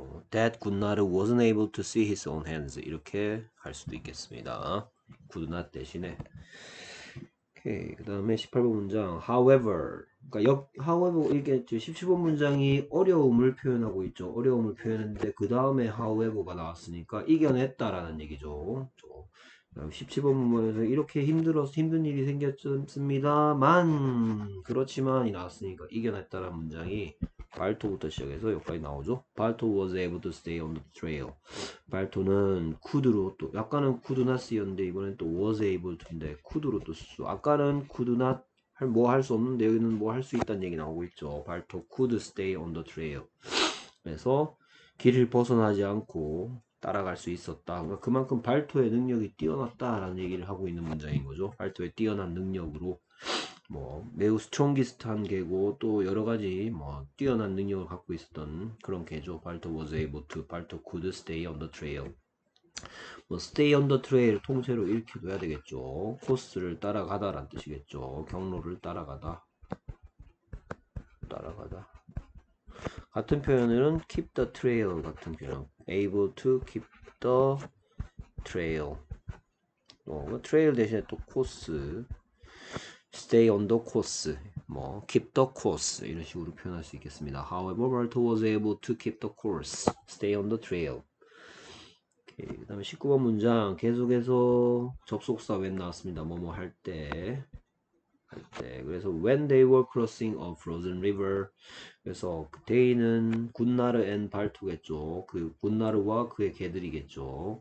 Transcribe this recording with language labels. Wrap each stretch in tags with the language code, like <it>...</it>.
<en>That could not, wasn't able to see his own hands.</en> <ko>이렇게 할 수도 있겠습니다.</ko> <en>Could not 대신에.</en> <ko>오케이, 그 다음에 18번 문장. However. 그러니까 however, 이게 17번 문장이 어려움을 표현하고 있죠. 어려움을 표현했는데, 그 다음에 however가 나왔으니까 이겨냈다라는 얘기죠. 17번 문장에서 이렇게 힘든 일이 생겼습니다만, 그렇지만이 나왔으니까 이겨냈다라는 문장이 발토부터 시작해서 여기까지 나오죠.</ko> <en>발토 was able to stay on the trail.</en> <ko>발토는 could로 또 아까는</ko> <en>could not see</en> <ko>였는데 이번엔 또 was able to인데 could로 또 쓰고 아까는 could not 할뭐할수 없는데 여기는 뭐할수 있다는 얘기 나오고 있죠.</ko> <en>발토 could stay on the trail.</en> <ko>그래서 길을 벗어나지 않고 따라갈 수 있었다. 그러니까 그만큼 발토의 능력이 뛰어났다라는 얘기를 하고 있는 문장인 거죠. 발토의 뛰어난 능력으로. 뭐 매우 스트롱기스트한 개고 또 여러 가지 뭐 뛰어난 능력을 갖고 있었던 그런 개죠.</ko> <en>Balto was able to, Balto could stay on the trail.</en> <ko>뭐</ko> <en>stay on the trail</en> <ko>통째로 읽혀둬야 되겠죠. 코스를 따라가다란 뜻이겠죠. 경로를 따라가다. 같은 표현은</ko> <en>keep the trail</en> <ko>같은 표현.</ko> <en>Able to keep the trail.</en> <ko>트레일 대신에 또 코스.</ko> <en>Stay on the course,</en> <ko>뭐</ko> <en>keep the course</en> <ko>이런 식으로 표현할 수 있겠습니다.</ko> <en>However, Balto was able to keep the course, stay on the trail.</en> <ko>오케이, 그다음에 19번 문장 계속해서 접속사 when 나왔습니다. 뭐뭐 할 때. 그래서</ko> <en>when they were crossing a frozen river,</en> <ko>그래서 they는 굿나르</ko> <en>and</en> <ko>발토겠죠. 그 굿나르와 그의 개들이겠죠.</ko>